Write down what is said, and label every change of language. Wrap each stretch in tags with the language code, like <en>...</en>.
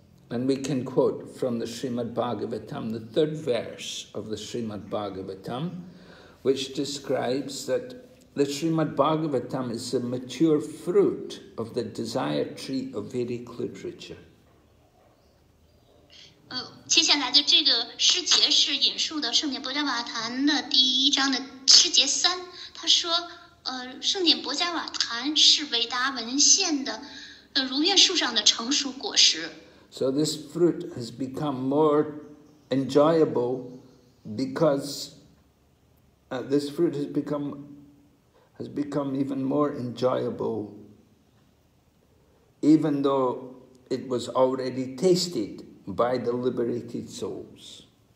<en>And we can quote from the Srimad Bhagavatam, the third verse of the Srimad Bhagavatam, which describes that the Srimad Bhagavatam is a mature fruit of the desire tree of Vedic literature.</en> <zh>接下来的这个诗节是引述的圣典波迦瓦檀的第一章的诗节三，他说，圣典波迦瓦檀是伟达文献的，如愿树上的成熟果实。</zh> <en>So this fruit has become more enjoyable because this fruit has become even more enjoyable, even though it was already tasted by the liberated souls.</en>